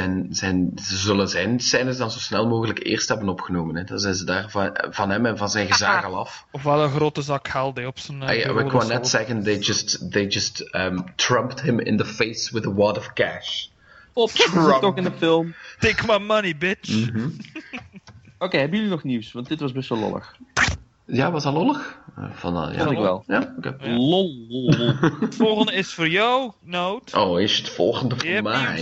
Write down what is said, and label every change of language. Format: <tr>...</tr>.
<nl>Ze zullen zijn scènes dan zo snel mogelijk eerst hebben opgenomen. Hè. Dan zijn ze daar van hem en van zijn gezag al af. Of wel een grote zak geld op zijn... Ik wou net zeggen,</nl> <en>they just trumped him in the face with a wad of cash.</en> <nl>Of Trump. Toch in de film.</nl> <en>Take my money, bitch. Mm-hmm.</en> <nl>Oké, hebben jullie nog nieuws? Want dit was best wel lollig. Ja, was dat lollig? Vond ik wel. Ja? Okay. Ja. Lol. Het volgende is voor jou, Noot. Oh, is het volgende voor mij?</nl>